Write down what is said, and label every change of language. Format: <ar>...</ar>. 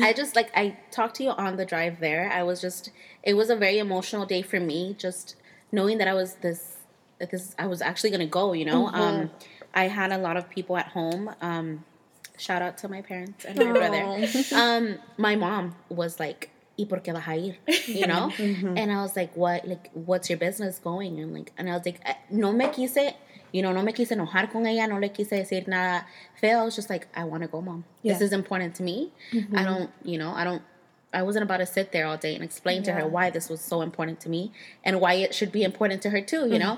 <en>I just like, I talked to you on the drive there. I was just, it was a very emotional day for me. Just knowing that I was this, I was actually going to go, you know. Mm-hmm. I had a lot of people at home. Shout out to my parents and my brother. My mom was like,</en> <es>¿y por qué vas a ir?</es> <en>You know? Mm-hmm. And I was like, what? Like, what's your business going? And like, and I was like,</en> <es>no me quise,</es> <en>you know,</en> <es>no me quise enojar con ella, no le quise decir nada feo.</es> <en>I was just like, I want to go, mom. Yeah. This is important to me. Mm-hmm. I don't, you know, I don't, I wasn't about to sit there all day and explain to her why this was so important to me and why it should be important to her too, you know?</en>